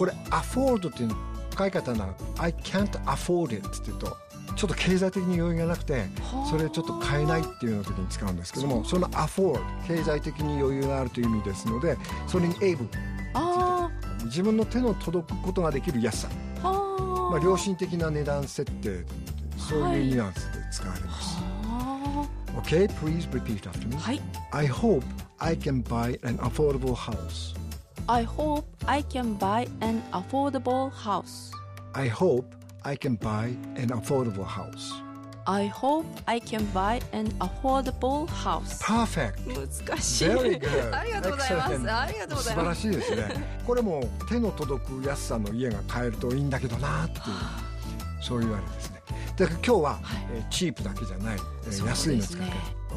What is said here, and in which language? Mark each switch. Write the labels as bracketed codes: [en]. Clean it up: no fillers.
[ja] これ afford っていうの使い方なの。 [en] I can't afford it [ja] って言うと、ちょっと経済的に余裕がなくて、それちょっと買えないっていうの時に使うんですけども、その afford 経済的に余裕があるという意味ですので、それに able って言うと、自分の手の届くことができる安さ、まあ良心的な値段設定、そういうニュアンスで使われます。はい、 [en] Okay, please repeat after me.、 [ja] はい、 [en] I hope I can buy an affordable house. I hope I can buy an affordable house. I hope I can buy an affordable house. I hope I can buy an affordable house. Perfect. [ja] 難しい。 [en] Very good. [ja] ありがとうございます。ありがとうございます。素晴らしいですね。これも手の届く安さの家が買えるといいんだけどなっていう、そういうあれですね。だから今日は、はい、チープだけじゃない、安いの使い方。